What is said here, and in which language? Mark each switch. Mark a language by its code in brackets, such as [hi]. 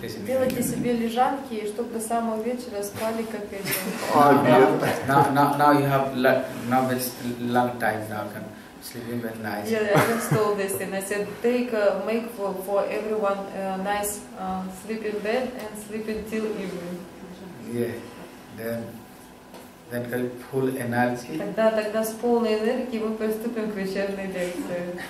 [ru] Делайте себе лежанки, чтобы до самого вечера спали как эти. [en] Now you have now it's long time now, can sleep in bed nice. Yeah, I just told this thing. I said make for everyone a nice sleeping bed and sleep until evening. Yeah, then. Then call full energy. [ru] Тогда с полной энергией мы приступим к вечерней лекции.